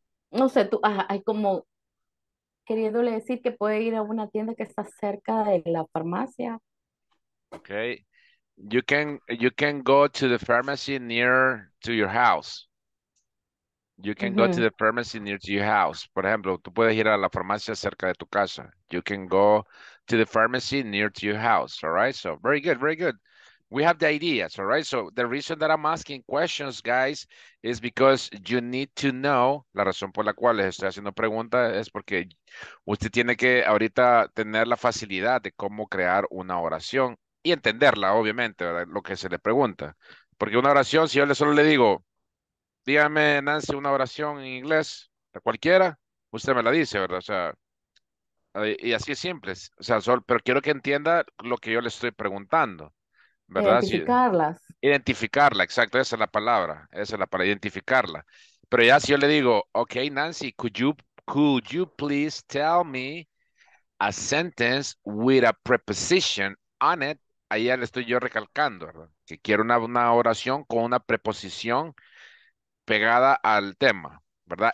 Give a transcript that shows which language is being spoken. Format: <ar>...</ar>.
<es>No sé, tú hay como queriéndole decir que puede ir a una tienda que está cerca de la farmacia.</es> <en>Okay. You can go to the pharmacy near to your house. You can go to the pharmacy near to your house.</en> <es>Por ejemplo, tú puedes ir a la farmacia cerca de tu casa.</es> <en>You can go to the pharmacy near to your house, all right? So, very good, very good. We have the ideas, all right? So, the reason that I'm asking questions, guys, is because you need to know,</en> <es>la razón por la cual les estoy haciendo preguntas es porque usted tiene que ahorita tener la facilidad de cómo crear una oración y entenderla, obviamente, ¿verdad? Lo que se le pregunta. Porque una oración, si yo solo le digo, dígame, Nancy, una oración en inglés, a cualquiera, usted me la dice, ¿verdad? O sea, y así es simple. O sea, pero quiero que entienda lo que yo le estoy preguntando, ¿verdad? Identificarlas. Si, identificarla, exacto, esa es la palabra. Esa es la palabra, identificarla. Pero ya si yo le digo,</es> <en>ok, Nancy, could you please tell me a sentence with a preposition on it?</en> <es>Ahí ya le estoy yo recalcando, ¿verdad? Que quiero una oración con una preposición pegada al tema, ¿verdad?</es>